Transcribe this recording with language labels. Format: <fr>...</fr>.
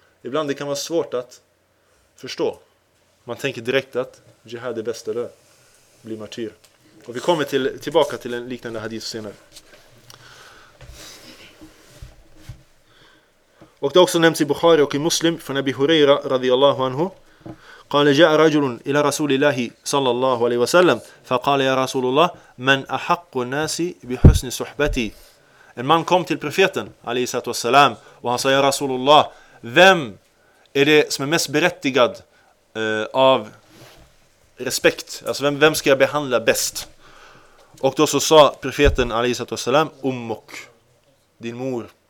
<sv>Ibland det kan vara svårt att förstå. Man tänker direkt att jihad är bäst eller blir martyr. Och vi kommer tillbaka till en liknande hadith senare. Och det också nämns i Bukhari och i Muslim från Abi Huraira radiyallahu anhu.</sv> <ar>قال جاء رجل إلى رسول الله صلى الله عليه وسلم فقال يا رسول الله من أحق الناس بحسن صحبتي.</ar> <sv>En man kom till profeten alaihissalatu wassalam och han sa,</sv> <ar>ya Rasulullah,</ar> <sv>vem är det som är mest berättigad av respekt? Alltså vem ska jag behandla bäst? Och då så sa profeten alaihissalatu wassalam ummuk, din mor.</sv>